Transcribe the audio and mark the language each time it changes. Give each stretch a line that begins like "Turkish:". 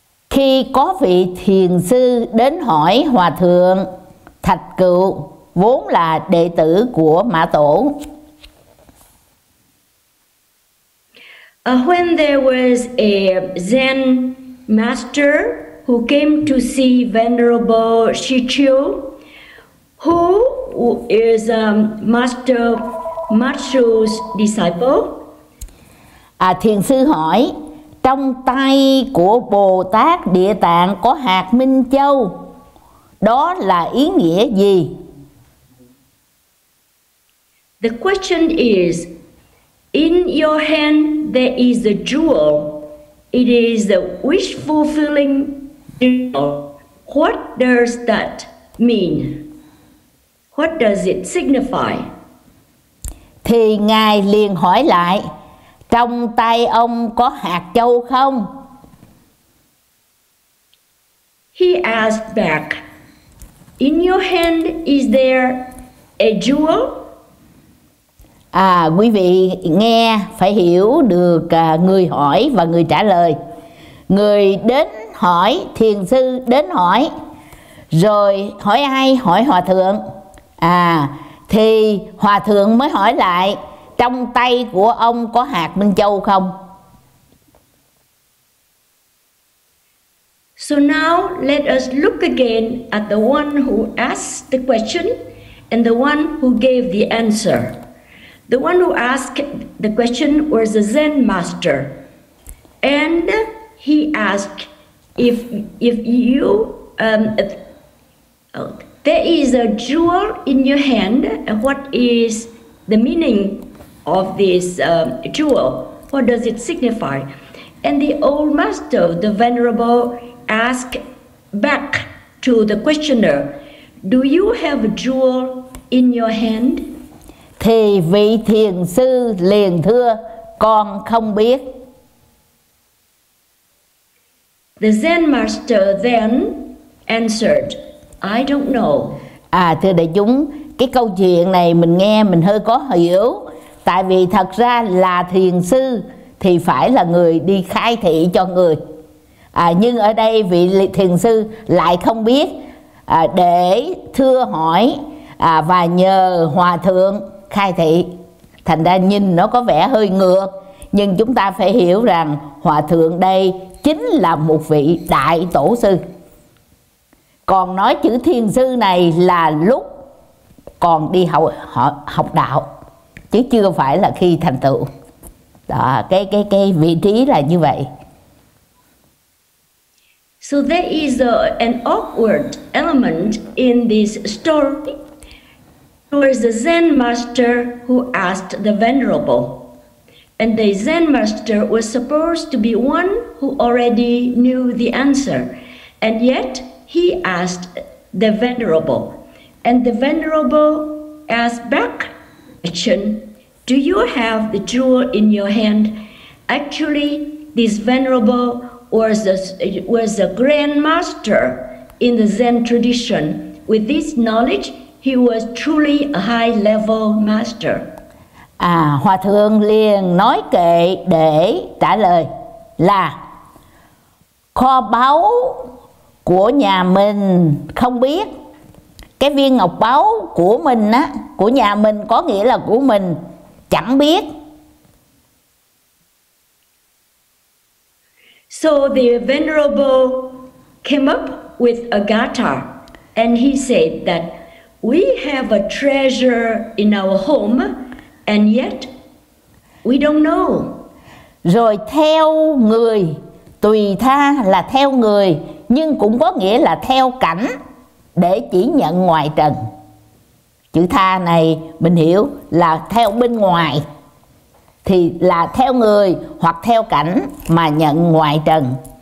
Vietnamese: Khi có vị thiền sư đến hỏi Hòa Thượng Thạch Cựu, vốn là đệ tử của Mã Tổ.
English: When there was a Zen master who came to see Venerable Shichyu, who is a master Matthew's disciple.
Vietnamese: À, thiền sư hỏi, trong tay của Bồ Tát Địa Tạng có hạt minh châu, đó là ý nghĩa gì?
English: The question is, in your hand there is a jewel. It is a wish fulfilling jewel. What does that mean? What does it signify?
Vietnamese: Thì ngài liền hỏi lại, trong tay ông có hạt châu không?
English: He asked back, in your hand is there a jewel?
Vietnamese: À, quý vị nghe phải hiểu được người hỏi và người trả lời. Người đến hỏi, thiền sư đến hỏi, rồi hỏi ai? Hỏi hòa thượng. À, thì hòa thượng mới hỏi lại, trong tay của ông có hạt minh châu không?
English: So now let us look again at the one who asked the question and the one who gave the answer. The one who asked the question was a Zen master, and he asked, "There is a jewel in your hand. What is the meaning of this jewel? What does it signify?" And the old master, the venerable, asked back to the questioner, "Do you have a jewel in your hand?"
Vietnamese: Thì vị thiền sư liền thưa, con không biết.
English: The Zen master then answered, I don't know.
Vietnamese: À, thưa đại chúng, cái câu chuyện này mình nghe mình hơi có hiểu. Tại vì thật ra là thiền sư thì phải là người đi khai thị cho người. À, nhưng ở đây vị thiền sư lại không biết, để thưa hỏi và nhờ hòa thượng khai thị. Thành ra nhìn nó có vẻ hơi ngược, nhưng chúng ta phải hiểu rằng hòa thượng đây chính là một vị đại tổ sư. Còn nói chữ thiền sư này là lúc còn đi học đạo, chứ chưa phải là khi thành tựu. Đó, cái vị trí là như vậy.
English: So there is an awkward element in this story. Towards the Zen master who asked the venerable. And the Zen master was supposed to be one who already knew the answer. And yet he asked the venerable. And the venerable asked back, question, do you have the jewel in your hand? Actually, this venerable was a grand master in the Zen tradition. With this knowledge, he was truly a high level master.
Vietnamese: À, hòa thượng liền nói kệ để trả lời là kho báu của nhà mình không biết. Cái viên ngọc báu của mình á, của nhà mình, có nghĩa là của mình, chẳng biết.
English: So the venerable came up with a gatha and he said that we have a treasure in our home, and yet we don't know.
Vietnamese: Rồi theo người, tùy tha là theo người, nhưng cũng có nghĩa là theo cảnh, để chỉ nhận ngoài trần. Chữ tha này mình hiểu là theo bên ngoài, thì là theo người hoặc theo cảnh mà nhận ngoài trần.